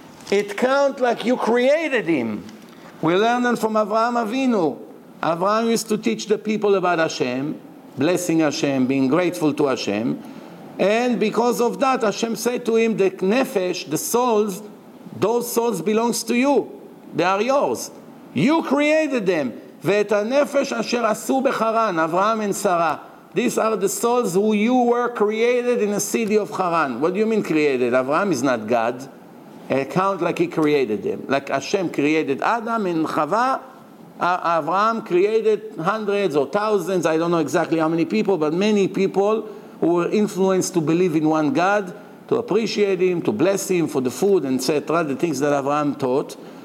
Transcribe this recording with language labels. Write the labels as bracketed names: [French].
[English] It counts like you created him. We learn that from Avraham Avinu. Avraham used to teach the people about Hashem, blessing Hashem, being grateful to Hashem. And because of that, Hashem said to him, the nefesh, the souls, those souls belongs to you. They are yours. You created them. [Hebrew] ואת הנפש אשר עשו בחרן, אברהם ושרה. [English] These are the souls who you were created in the city of Haran. What do you mean created? Abraham is not God. Account like he created them. Like Hashem created Adam and Chava. Abraham created hundreds or thousands, I don't know exactly how many people, but many people who were influenced to believe in one God, to appreciate him, to bless him for the food, etc., the things that Abraham taught.